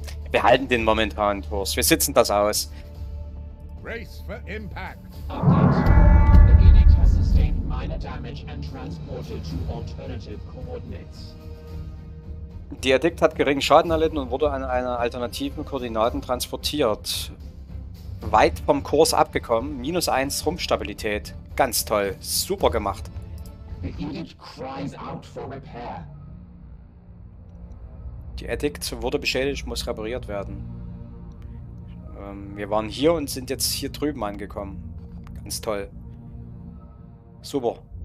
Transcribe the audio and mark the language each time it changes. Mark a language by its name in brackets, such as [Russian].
[German] Wir halten den momentanen Kurs. Wir sitzen das aus. [English] Race for Impact. The Edict has sustained minor damage and transported to alternative coordinates. [German] Die Edict hat geringen Schaden erlitten und wurde an einer alternativen Koordinaten transportiert. Weit vom Kurs abgekommen. Minus 1 Rumpfstabilität. Ganz toll. Super gemacht. [English] The Edict cries out for repair. [German] Die Edict wurde beschädigt, muss repariert werden. Wir waren hier und sind jetzt hier drüben angekommen. Ganz toll. Super.